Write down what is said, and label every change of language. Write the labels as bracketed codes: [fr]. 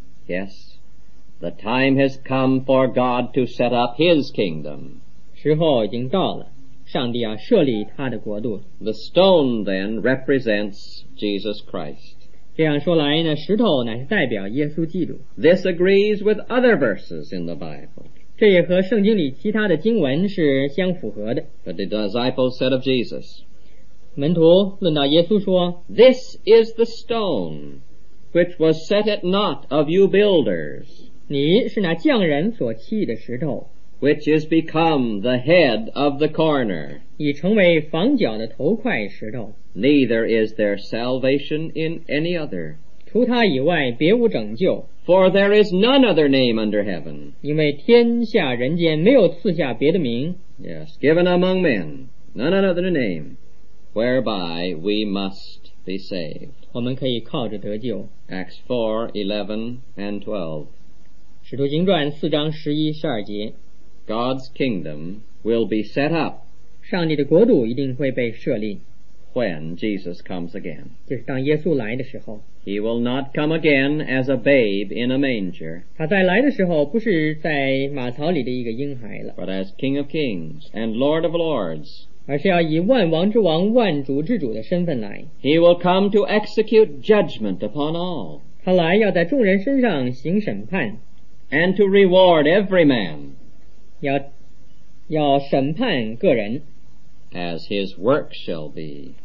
[en] Yes， the time has come for God to set up his kingdom， [zh] 时候已经到了，上帝要设立他的国度。 [en] The stone then represents Jesus Christ， [zh] 这样说来呢，石头乃是代表耶稣基督。 [en] This agrees with other verses in the Bible， [zh] 这也和圣经里其他的经文是相符合的。 [en] But the disciples said of Jesus， [zh] 门徒论到耶稣说， [en] This is the stone which was set at naught of you builders， [zh] 你是那匠人所砌的石头， [en] which is become the head of the corner， [zh] 已成为房角的头块石头。 [en] Neither is there salvation in any other， [zh] 除他以外别无拯救。 [en] For there is none other name under heaven， [zh] 因为天下人间没有赐下别的名。 [en] Yes， given among men none other name whereby we must be saved， [zh] 我们可以靠着得救。 [en] Acts 4:11-12， [zh] 使徒行传4:11-12， [en] God's kingdom will be set up， [zh] 上帝的国度一定会被设立。 [en] When Jesus comes again， [zh] 就是当耶稣来的时候。 [en] He will not come again as a babe in a manger， [zh] 他在来的时候不是在马槽里的一个婴孩了。 [en] But as King of kings and Lord of lords， [zh] 而是要以万王之王万主之主的身份来。 [en] He will come to execute judgment upon all， [zh] 他来要在众人身上行审判。 [en] And to reward every man， [zh] 要审判个人。 [en] As his work shall be，